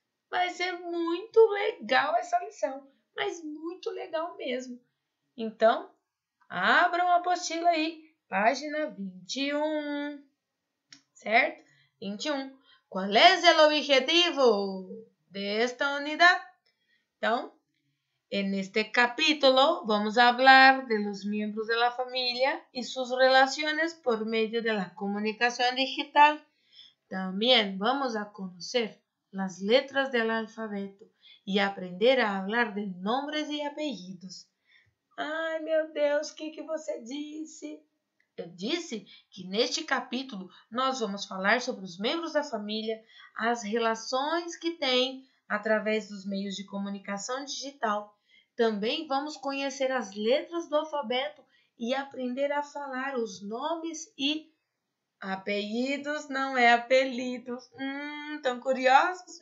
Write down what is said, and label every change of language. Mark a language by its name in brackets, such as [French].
[Portuguese] Vai ser muito legal essa lição, mas muito legal mesmo. Então, abram a apostila aí, página 21, certo? 21. Qual é o objetivo desta unidade? Então, [Spanish] en este capítulo, vamos hablar de los miembros de la familia y sus relaciones por medio de la comunicación digital. También vamos a conocer las letras del alfabeto y aprender a hablar de nombres y apellidos. [Portuguese] Ay, meu Deus, que você disse? Eu disse que neste capítulo nós vamos falar sobre os membros da família, as relações que têm através dos meios de comunicação digital. Também vamos conhecer as letras do alfabeto e aprender a falar os nomes e apelidos, não é apelidos. Tão curiosos?